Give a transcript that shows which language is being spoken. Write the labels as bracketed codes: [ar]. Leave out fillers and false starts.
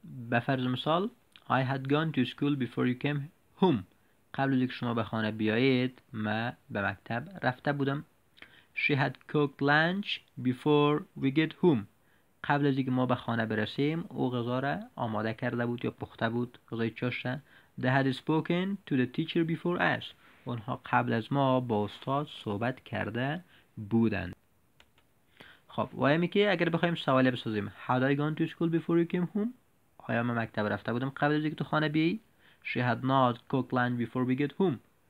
[fa] به فرض مثال [en] I had gone to school before you came home. [fa] قبل از اینکه شما به خانه بیایید من به مکتب رفته بودم. [en] She had cooked lunch before we get home. [fa] قبل از اینکه ما به خانه برسیم او غذا را آماده کرده بود یا پخته بود، غذای چاشت. [en] They had spoken to the teacher before us. [fa] اونها قبل از ما با استاد صحبت کرده بودند. خب و همی که اگر بخوایم سوال بسازیم [en] Had I gone to school before you came home؟ [fa] آیا من مکتب رفته بودم قبل از اینکه تو خانه بیایی؟ [en] She had not cooked lunch before we get home.